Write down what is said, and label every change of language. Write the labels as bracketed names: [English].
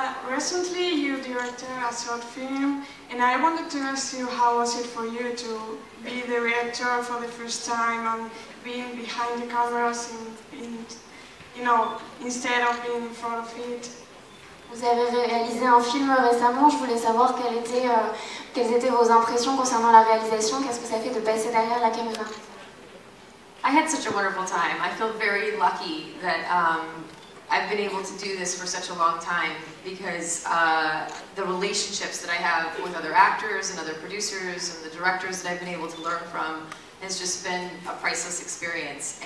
[English] Recently, you directed a short film, and I wanted to ask you, how was it for you to be the director for the first time and being behind the cameras, instead of being in front of it? [French] Vous avez réalisé un film récemment. Je voulais savoir quelles étaient vos impressions concernant la réalisation. Qu'est-ce que ça fait de passer derrière la caméra? [English] I had such a wonderful time. I feel very lucky that I've been able to do this for such a long time, because the relationships that I have with other actors and other producers and the directors that I've been able to learn from has just been a priceless experience.